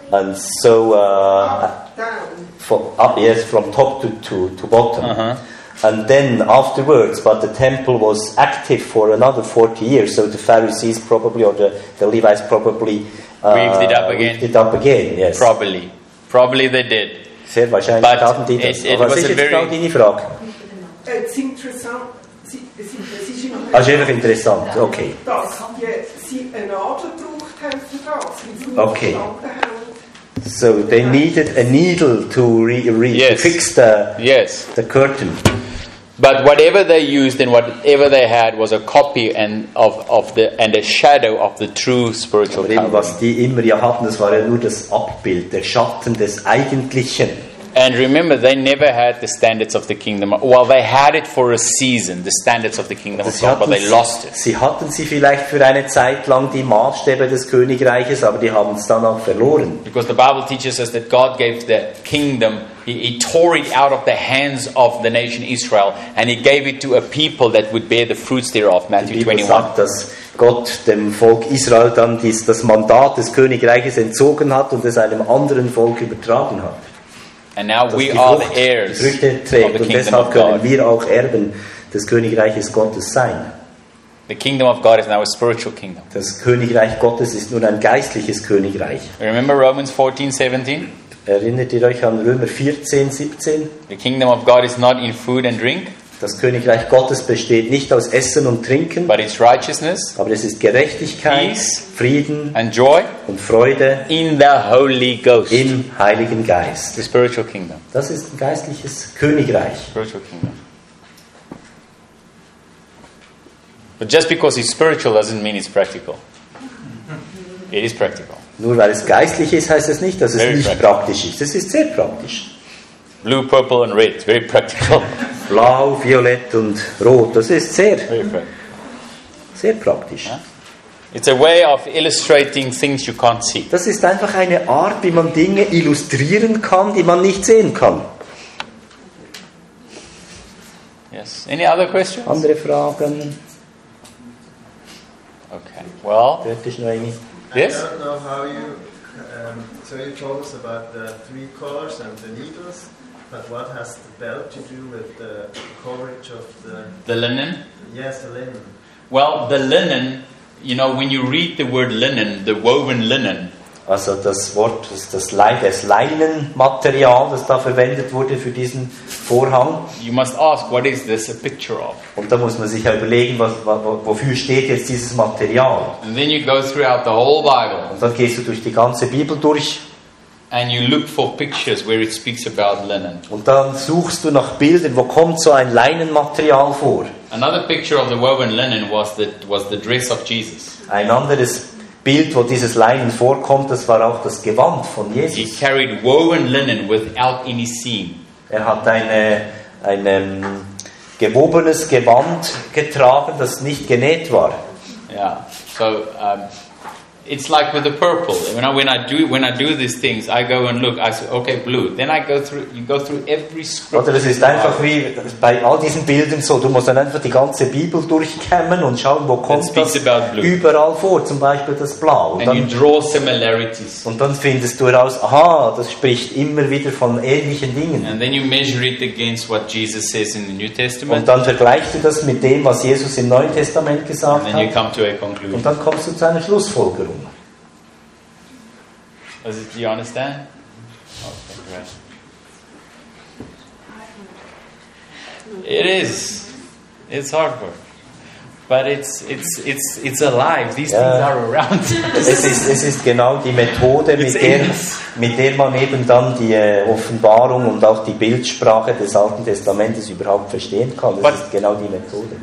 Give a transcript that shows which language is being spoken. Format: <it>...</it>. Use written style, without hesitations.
<en>And so. From top to bottom. Uh-huh. And then afterwards, but the temple was active for another 40 years, so the Pharisees probably, or the Levites probably... Weaved it up again, yes. Probably they did.</en> <de>Sehr wahrscheinlich but taten die das.</de> <en>It, it was a very...</en> <de>Was ist jetzt gerade deine Frage? It's interessant. Es ist okay. Dass sie eine Nadel braucht, haben okay.</de> <en>So they needed a needle to fix the curtain. But whatever they used and whatever they had was a copy and of the shadow of the true spiritual covering.</en> <de>Was die immer ja hatten, das war ja nur das Abbild, der Schatten des Eigentlichen.</de> <en>And remember, they never had the standards of the kingdom. Well, they had it for a season, the standards of the kingdom of God, but they lost it.</en> <de>Sie hatten sie vielleicht für eine Zeit lang die Maßstäbe des Königreiches, aber die haben es dann auch verloren.</de> <en>Because the Bible teaches us that God gave the kingdom, he tore it out of the hands of the nation Israel, and he gave it to a people that would bear the fruits thereof, Matthew 21.</en> <de>Die Bibel sagt, dass Gott dem Volk Israel dann das Mandat des Königreiches entzogen hat und es einem anderen Volk übertragen hat.</de> <en>And now we are the heirs of the kingdom of God.</en> <de>Und deshalb können wir auch Erben des Königreiches Gottes sein.</de> <en>The kingdom of God is now a spiritual kingdom.</en> <de>Das Königreich Gottes ist nun ein geistliches Königreich.</de> <en>Remember Romans 14, 17?</en> <de>Erinnert ihr euch an Römer 14, 17?</de> <en>The kingdom of God is not in food and drink.</en> <de>Das Königreich Gottes besteht nicht aus Essen und Trinken,</de> <en>but it's righteousness,</en> <de>aber es ist Gerechtigkeit,</de> <en>peace,</en> <de>Frieden</de> <en>and joy</en> <de>und Freude</de> <en>in the Holy Ghost,</en> <de>im Heiligen Geist.</de> <en>The spiritual kingdom.</en> <de>Das ist ein geistliches Königreich.</de> <en>Spiritual kingdom. But just because it's spiritual doesn't mean it's practical. It is practical.</en> <de>Nur weil es geistlich ist, heißt es nicht, dass es very nicht praktisch ist. Es ist sehr praktisch.</de> <en>Blue, purple and red, very practical.</en> <de>Blau, violett und rot. Das ist sehr, sehr praktisch.</de> <en>It's a way of illustrating things you can't see.</en> <de>Das ist einfach eine Art, wie man Dinge illustrieren kann, die man nicht sehen kann.</de> <en>Yes. Any other questions?</en> <de>Andere Fragen?</de> <en>Okay. Well.</en> <de>Gibt es noch eine?</de> <en>Yes. I don't know how you. So you told us about the three colors and the needles. But what has the belt to do with the coverage of the linen? Yes, the linen. Well, the linen, you know, when you read the word linen, the woven linen.</en> <de>Also das Wort, das Leinenmaterial, das da verwendet wurde für diesen Vorhang.</de> <en>You must ask, what is this a picture of?</en> <de>Und da muss man sich ja überlegen, wofür steht jetzt dieses Material.</de> <en>And then you go throughout the whole Bible.</en> <de>Und dann gehst du durch die ganze Bibel durch.</de> <en>And you look for pictures where it speaks about linen.</en> <de>Und dann suchst du nach Bildern, wo kommt so ein Leinenmaterial vor?</de> <en>Another picture of the woven linen was the dress of Jesus.</en> <de>Ein anderes Bild, wo dieses Leinen vorkommt, das war auch das Gewand von Jesus.</de> <en>He carried woven linen without any seam.</en> <de>Er hat ein gewobenes Gewand getragen, das nicht genäht war.</de> <en>Yeah. So it's like with the purple. When I do these things, I go and look. I say, okay, blue. Then I go through. You go through every scripture.</en> <de>Oder es ist einfach wie bei all diesen Bildern so. Du musst dann einfach die ganze Bibel durchkämmen und schauen, wo kommt das überall vor. Zum Beispiel das Blau.</de> <en>And you draw similarities.</en> <de>Und dann findest du heraus, aha, das spricht immer wieder von ähnlichen Dingen.</de> <en>And then you measure it against what Jesus says in the New Testament.</en> <de>Und dann vergleichst du das mit dem, was Jesus im Neuen Testament gesagt hat.</de> <en>And then you come to a conclusion.</en> <de>Und dann kommst du zu einer Schlussfolgerung.</de> <en>Was it, do you understand? Okay, great. It is. It's hard work. But it's alive. These things are around.</en> <de>Es ist genau die Methode, mit der man eben dann die Offenbarung und auch die Bildsprache des Alten Testamentes überhaupt verstehen kann. Das ist genau die Methode.</de>